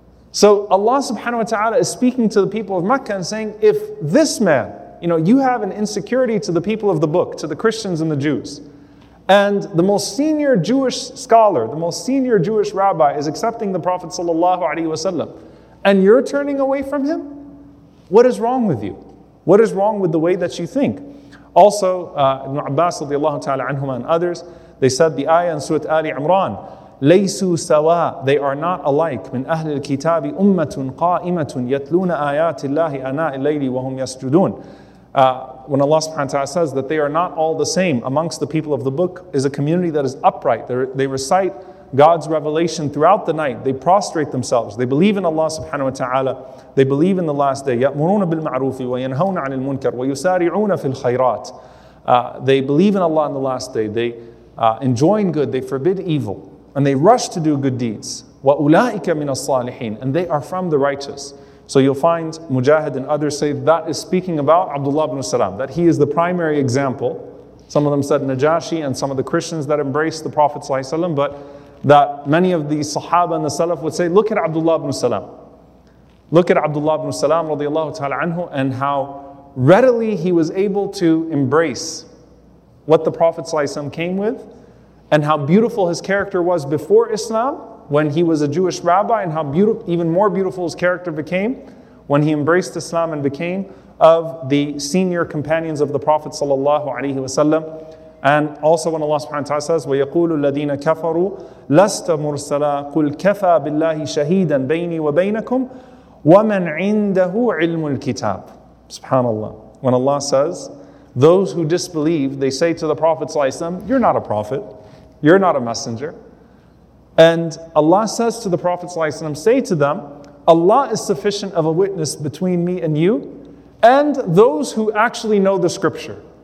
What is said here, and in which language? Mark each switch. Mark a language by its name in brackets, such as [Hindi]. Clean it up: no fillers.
[English] So Allah subhanahu wa ta'ala is speaking to the people of Mecca and saying, if this man, you know, you have an insecurity to the people of the book, to the Christians and the Jews, and the most senior Jewish scholar, the most senior Jewish rabbi is accepting the Prophet sallallahu alaihi wasallam, and you're turning away from him, what is wrong with you? What is wrong with the way that you think? Also, Ibn Abbas radiallahu ta'ala anhuma and others, they said the ayah in Surah Ali Imran, [Arabic] ليسوا سواء. [English] They are not alike. [Arabic] من أهل الكتاب أمة قائمة يتلون آيات الله آناء الليل وهم يسجدون. [English] When Allah subhanahu wa ta'ala says that they are not all the same, amongst the people of the book is a community that is upright. They recite God's revelation throughout the night. They prostrate themselves. They believe in Allah subhanahu wa ta'ala. They believe in the last day. [Arabic] يأمرون بالمعروف وينهون عن المنكر ويسارعون في الخيرات. [English] They believe in Allah in the last day. They enjoin good. They forbid evil. And they rush to do good deeds. [Arabic] وَأُولَٰئِكَ مِنَ الصَّالِحِينَ [English] And they are from the righteous. So you'll find Mujahid and others say that is speaking about Abdullah ibn Salam, that he is the primary example. Some of them said Najashi and some of the Christians that embraced the Prophet ﷺ, but that many of the Sahaba and the Salaf would say, look at Abdullah ibn Salam. Look at Abdullah ibn Salam radiallahu ta'ala anhu and how readily he was able to embrace what the Prophet ﷺ came with, and how beautiful his character was before Islam, when he was a Jewish rabbi, and how beautiful, even more beautiful his character became when he embraced Islam and became of the senior companions of the Prophet sallallahu alaihi wasallam. And also when Allah subhanahu wa ta'ala says, [Arabic] وَيَقُولُ الَّذِينَ كَفَرُوا لَسْتَ مُرْسَلًا قُلْ كَفَى بِاللَّهِ شَهِيدًا بَيْنِي وَبَيْنَكُمْ وَمَنْ عِنْدَهُ عِلْمُ الْكِتَابِ. Subhanallah. [English] When Allah says, those who disbelieve, they say to the Prophet sallallahu alaihi wasallam, you're not a prophet. You're not a messenger. And Allah says to the Prophet ﷺ, say to them, Allah is sufficient of a witness between me and you and those who actually know the scripture.